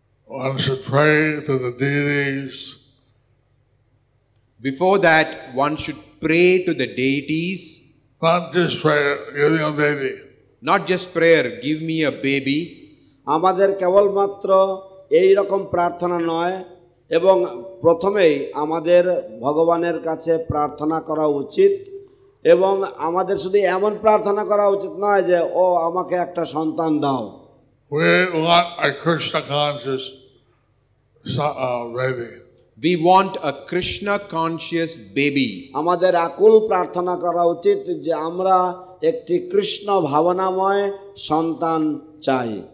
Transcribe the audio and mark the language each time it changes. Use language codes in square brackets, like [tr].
[en] One should pray to the deities Before that, one should pray to the deities. Not just prayer, give me a baby. Not just prayer, give me a baby. [bn] আমাদের কেবলমাত্র এই রকম প্রার্থনা নয় এবং প্রথমেই আমাদের ভগবানের কাছে প্রার্থনা করা উচিত এবং আমাদের শুধু এমন প্রার্থনা করা উচিত নয় যে ও আমাকে একটা সন্তান দাও [en] We want a Krishna conscious baby. We want a Krishna conscious baby. [bn] আমাদের আকুল প্রার্থনা করা উচিত যে আমরা একটি কৃষ্ণ ভাবনাময় সন্তান চাই